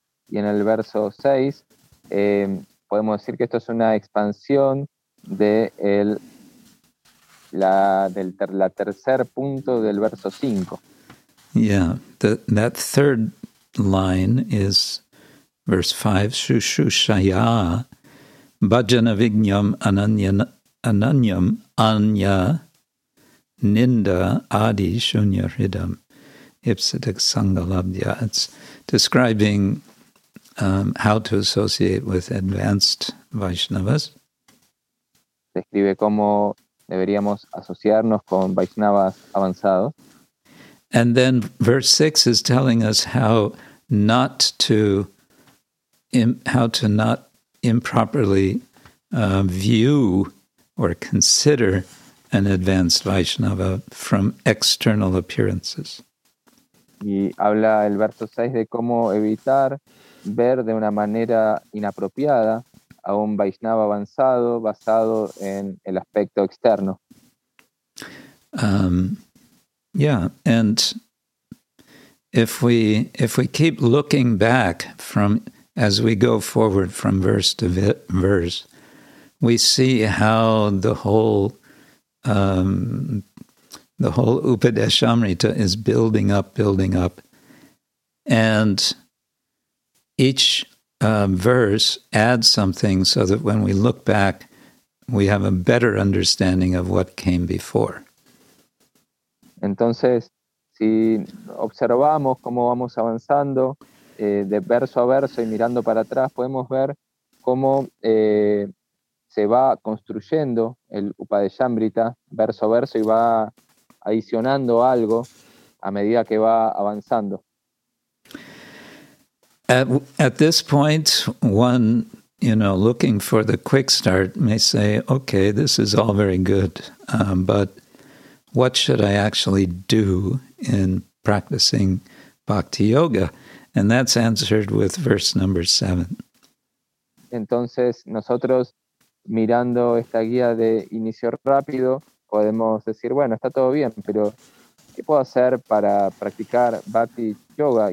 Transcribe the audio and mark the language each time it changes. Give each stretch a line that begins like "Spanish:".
Spanish: Y en el verso 6, podemos decir que esto es una expansión de la tercer punto del verso 5.
English: Yeah, that third line is verse 5,
Sanskrit: Shushushaya, Bhajana Vignam Ananyana. Ananyam, Anya, Ninda, Adi, Shunya, Hridam, Ipsitak, Sangalabdhya.
English: It's describing how to associate with advanced Vaishnavas.
Spanish: Describe cómo deberíamos asociarnos con Vaishnavas avanzados.
English: And then verse 6 is telling us how to not improperly view or consider an advanced Vaishnava from external appearances.
Spanish: Y habla el verso 6 de cómo evitar ver de una manera inapropiada a un Vaishnava avanzado basado en el aspecto externo.
English: And if we keep looking back from as we go forward from verse to verse, we see how the whole Upadeshamrita is building up, and each verse adds something so that when we look back, we have a better understanding of what came before.
Spanish: Entonces, si observamos cómo vamos avanzando de verso a verso y mirando para atrás, podemos ver cómo se va construyendo el Upadeshamrita verso a verso y va adicionando algo a medida que va avanzando.
English: At this point, one, you know, looking for the quick start may say, okay, this is all very good, but what should I actually do in practicing bhakti yoga? And that's answered with verse number 7.
Spanish: Entonces, nosotros mirando esta guía de inicio rápido, podemos decir, bueno, está todo bien, pero ¿qué puedo hacer para practicar Bhakti Yoga?